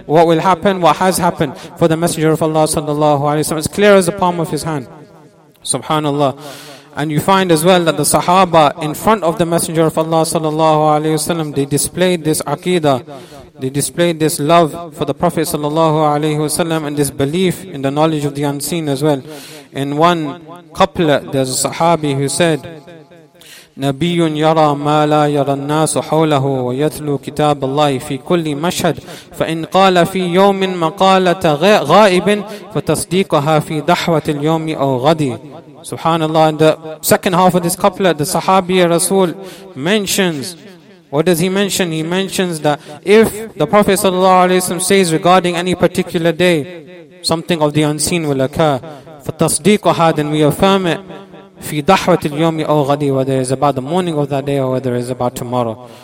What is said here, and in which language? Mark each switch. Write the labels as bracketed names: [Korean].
[English] What will happen, what has happened for the Messenger of Allah sallallahu alayhi wa sallam. It's clear as the palm of his hand. Subhanallah. And you find as well that the Sahaba in front of the Messenger of Allah sallallahu alayhi wa sallam, they displayed this aqidah. They displayed this love for the Prophet sallallahu alaihi wasallam and this belief in the knowledge of the unseen as well. In one couplet, there's a Sahabi who said, [Arabic] نَبِيٌّ يَرَى مَا لَا يَرَى النَّاسُ حَوْلَهُ وَيَتْلُو كِتَابَ اللَّهِ فِي كُلِّ مَشْهَدٍ فَإِنْ قَالَ فِي يَوْمٍ مَقَالَةَ غَائِبٍ فَتَصْدِيقُهَا فِي دَحْوَةِ الْيَوْمِ أَوْ غَدِي Subhanallah. [English] In the second half of this couplet, the Sahabi Rasul mentions, what does he mention? He mentions that if the Prophet sallallahu alaihi wasallam says regarding any particular day, something of the unseen will occur. فَتَصْدِيقُهَا then we affirm it. [Arabic] فِي دَحْوَةِ الْيَوْمِ أَوْ غَدِي [English] whether it's about the morning of that day or whether it's about tomorrow.